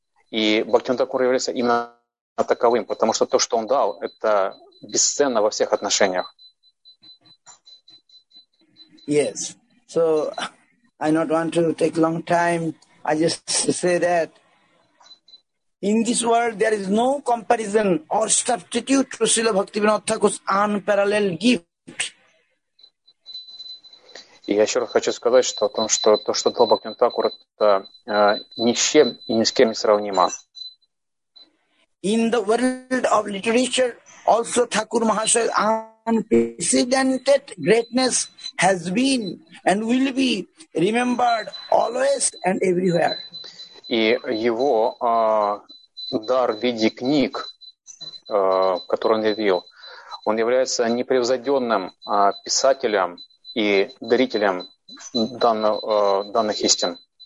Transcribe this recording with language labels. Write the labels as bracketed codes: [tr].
[ru] И Бхактивинода Такур является именно таковым, потому что то, что он дал, это бесценно во всех отношениях. [en] Yes. So, I not want to take long time. I just say that in this world, there is no comparison or substitute to Srila Bhaktivinoda Thakur's unparalleled gift. [ru] И я еще раз хочу сказать, что о том, что то, что дал Бхактивинода Такур, это ни с чем и ни с кем не сравнимо. [en] In the world of literature, also Thakur Mahashaya's unprecedented greatness has been and will be remembered always and everywhere. [ru] И его дар в виде книг, который он явил, он является непревзойденным писателем и дарителем данных истин.